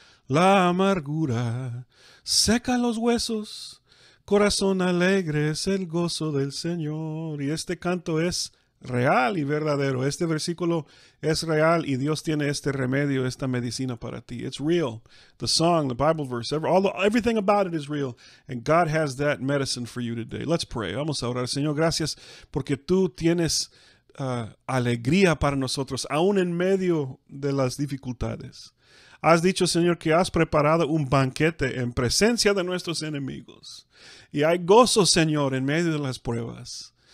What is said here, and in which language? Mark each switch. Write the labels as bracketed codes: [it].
[es] La amargura seca los huesos, corazón alegre es el gozo del Señor. Y este canto es real y verdadero. Este versículo es real y Dios tiene este remedio, esta medicina para ti. [en] It's real. The song, the Bible verse, everything about it is real. And God has that medicine for you today. Let's pray. [es] Vamos a orar. Señor, gracias porque tú tienes alegría para nosotros, aún en medio de las dificultades. Has dicho, Señor, que has preparado un banquete en presencia de nuestros enemigos. Y hay gozo, Señor, en medio de las pruebas.